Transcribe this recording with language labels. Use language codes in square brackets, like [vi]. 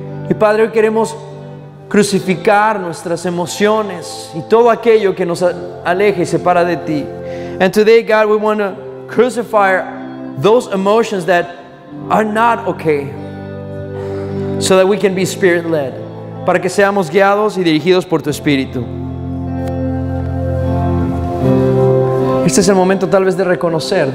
[es] Y Padre, hoy queremos crucificar nuestras emociones y todo aquello que nos aleja y separa de ti. [en] And today, God, we want to crucify those emotions that are not okay, so that we can be spirit-led. [es] Para que seamos guiados y dirigidos por tu Espíritu. Este es el momento tal vez de reconocer.